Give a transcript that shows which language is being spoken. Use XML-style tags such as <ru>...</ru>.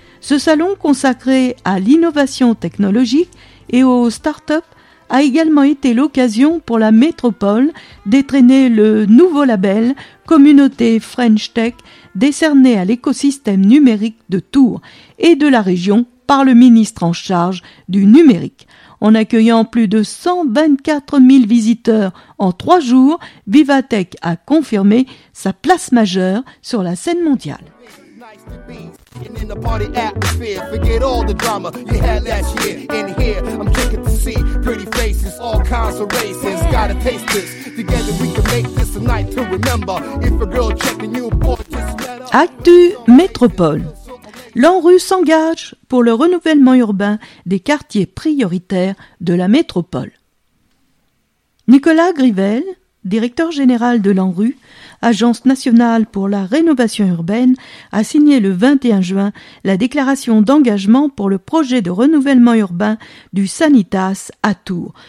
<fr>Ce salon consacré à l'innovation technologique et aux start-up a également été l'occasion pour la métropole d'étrenner le nouveau label Communauté French Tech décerné à l'écosystème numérique de Tours et de la région par le ministre en charge du numérique. En accueillant plus de 124 000 visiteurs en 3 jours, Vivatech a confirmé sa place majeure sur la scène mondiale.</fr> <en>And in the party atmosphere, forget all the drama you had last year. In here, I'm drinking to see pretty faces, all kinds of races. Gotta taste this. Together we can make this a night to remember. If a girl checking you, boy, just let up.</en> <fr>Actu Métropole. L'ANRU s'engage pour le renouvellement urbain des quartiers prioritaires de la métropole. Nicolas Grivel, directeur général de l'ANRU, Agence nationale pour la rénovation urbaine, a signé le 21 juin la déclaration d'engagement pour le projet de renouvellement urbain du Sanitas à Tours.</fr>